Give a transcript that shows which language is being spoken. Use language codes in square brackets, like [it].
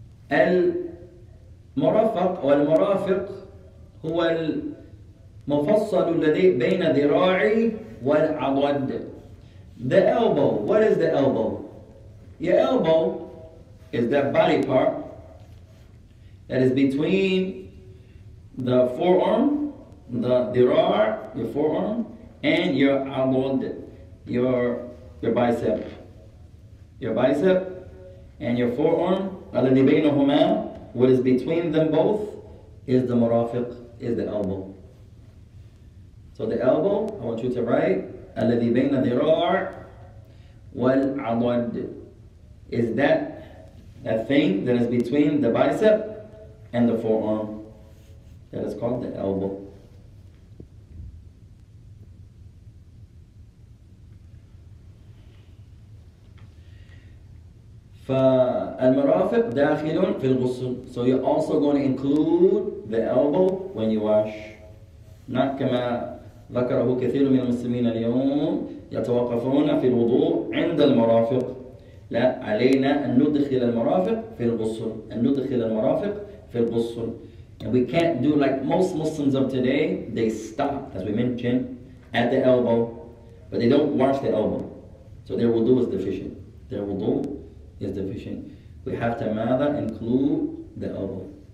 [ar] المرافق والمرافق هو المفصل الذي بين ذراعي والعضد. [en] The elbow. What is the elbow? Your elbow is that body part that is between the forearm, the dirar, your forearm, and your adud, your bicep. Your bicep and your forearm, [ar] alladhi baynahuma, [en] what is between them both is the murafiq, is the elbow. So the elbow, I want you to write, [ar] alladhi bayna dirar wal adud, [en] is that that thing that is between the bicep and the forearm. That is called the elbow. [ar] فالمرافق داخل في الغسل. [en] So you're also going to include the elbow when you wash. [ar] Not كما ذكره كثير من المسلمين اليوم يتوقفون في الوضوء عند المرافق. لا علينا أن ندخل المرافق في الغسل. أن ندخل المرافق في الغسل. [en] And we can't do like most Muslims of today. They stop, as we mentioned, at the elbow, but they don't wash the elbow. So their wudu is deficient. Their wudu is deficient. We have to ماذا include the elbow.